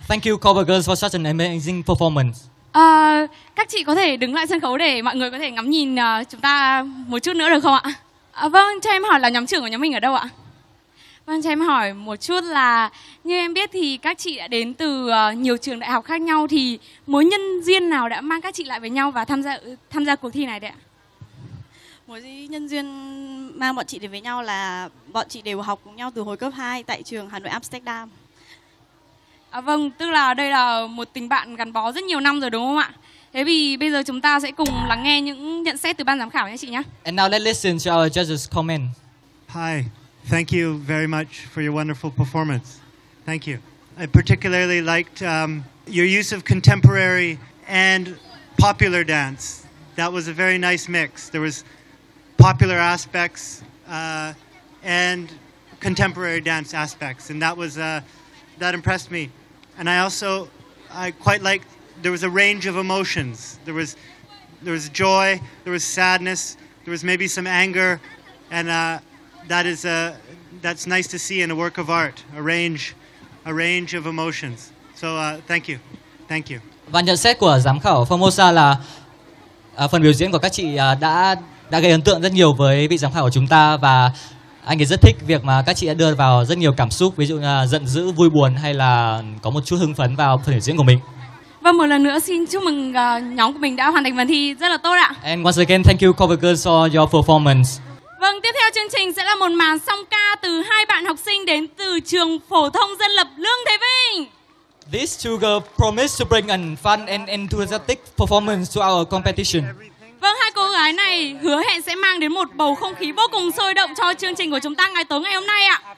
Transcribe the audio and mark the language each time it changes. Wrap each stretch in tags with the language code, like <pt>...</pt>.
<en>Thank you cover girls for such an amazing performance.</en> <vi>Các chị có thể đứng lại sân khấu để mọi người có thể ngắm nhìn chúng ta một chút nữa được không ạ? Vâng, cho em hỏi là nhóm trưởng của nhóm mình ở đâu ạ? Vâng, cho em hỏi một chút là như em biết thì các chị đã đến từ nhiều trường đại học khác nhau, thì mối nhân duyên nào đã mang các chị lại với nhau và tham gia cuộc thi này đấy ạ? Mối nhân duyên mang bọn chị đến với nhau là bọn chị đều học cùng nhau từ hồi cấp 2 tại trường Hà Nội Amsterdam. À, vâng, tức là đây là một tình bạn gắn bó rất nhiều năm rồi đúng không ạ? Thế thì bây giờ chúng ta sẽ cùng lắng nghe những nhận xét từ ban giám khảo nhé chị nhé.</vi> <en>And now let's listen to our judges' comment. Hi, thank you very much for your wonderful performance. Thank you. I particularly liked your use of contemporary and popular dance. That was a very nice mix. There was popular aspects and contemporary dance aspects, and that was that impressed me. And I quite liked, there was a range of emotions. There was joy, there was sadness, there was maybe some anger, and that's nice to see in a work of art, a range of emotions. So thank you.</en> <vi>Và nhận xét của giám khảo Formosa là phần biểu diễn của các chị đã gây ấn tượng rất nhiều với vị giám khảo của chúng ta, và anh ấy rất thích việc mà các chị đã đưa vào rất nhiều cảm xúc, ví dụ là giận dữ, vui buồn hay là có một chút hưng phấn vào phần biểu diễn của mình. Và một lần nữa xin chúc mừng nhóm của mình đã hoàn thành phần thi rất là tốt ạ.</vi> <en>And once again, thank you cover girls for your performance.</en> <vi>Vâng, tiếp theo chương trình sẽ là một màn song ca từ hai bạn học sinh đến từ trường phổ thông dân lập Lương Thế Vinh.</vi> <en>These two girls promise to bring a fun and enthusiastic performance to our competition.</en> <vi>Vâng, hai cô gái này hứa hẹn sẽ mang đến một bầu không khí vô cùng sôi động cho chương trình của chúng ta ngày tối ngày hôm nay ạ.</vi>